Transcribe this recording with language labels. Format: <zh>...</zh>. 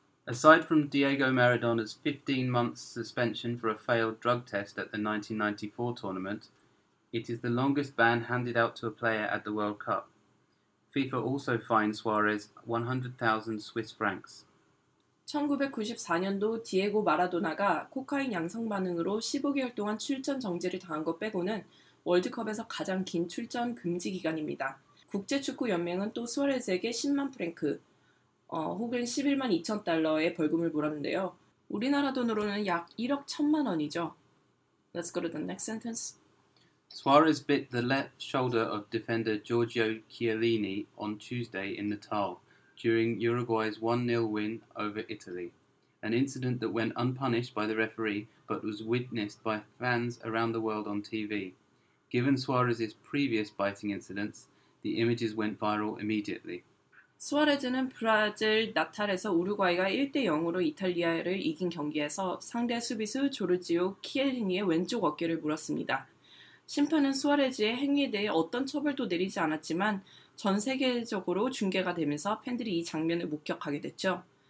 <en>Aside from Diego Maradona's 15-month suspension for a failed drug test at the 1994 tournament, it is the longest ban handed out to a player at the World Cup. FIFA also fined Suarez 100,000 Swiss francs.</en> <ko>1994년도 디에고 마라도나가 코카인 양성 반응으로 15개월 동안 출전 정지를 당한 것 빼고는 월드컵에서 가장 긴 출전 금지 기간입니다. 국제축구연맹은 또 수아레즈에게 10만 프랭크, 혹은 11만 2천 달러의 벌금을 물었는데요. 우리나라 돈으로는 약 1억 1천만 원이죠.</ko> <en>Let's go to the next sentence. Suarez bit the left shoulder of defender Giorgio Chiellini on Tuesday in Natal during Uruguay's 1-0 win over Italy, an incident that went unpunished by the referee but was witnessed by fans around the world on TV. Given Suarez's previous biting incidents, the images went viral immediately.</en> <ko>수아레즈는 브라질 나탈에서 우루과이가 1-0으로 이탈리아를 이긴 경기에서 상대 수비수 조르지오 키엘리니의 왼쪽 어깨를 물었습니다. 심판은 수아레즈의 행위에 대해 어떤 처벌도 내리지 않았지만 전 세계적으로 중계가 되면서 팬들이 이 장면을 목격하게 됐죠.</ko>